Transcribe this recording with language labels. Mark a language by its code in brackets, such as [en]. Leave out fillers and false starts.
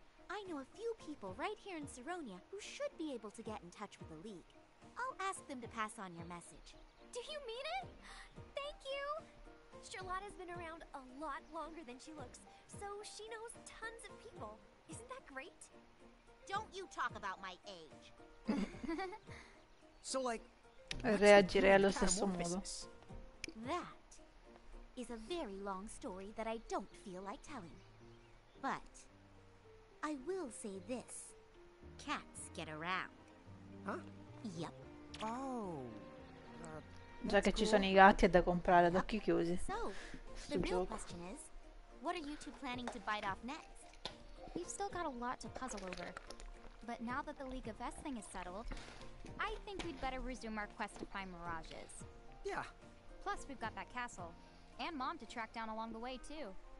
[en] I know a few people right here in Saronia who should be able to get in touch with the League. I'll ask them to pass on your message. Do you mean it? Thank you! Charlotta's been around a lot longer than she looks, so she knows tons of people. Isn't that great? Don't you talk about my age. So, like, [it] reagire allo stesso modo. [en] That is a very long story that I don't feel like telling. But I will say this. Cats get around. Huh? Yep. Oh. [it] Già che ci sono i gatti è da comprare ad occhi chiusi. [en] So, the real question is, what are you two planning to bite off next? We've still got a lot to puzzle over. But now that the League of S thing is settled, I think we'd better resume our quest to find mirages. Yeah. Plus we've got that castle and mom to track down along the way too.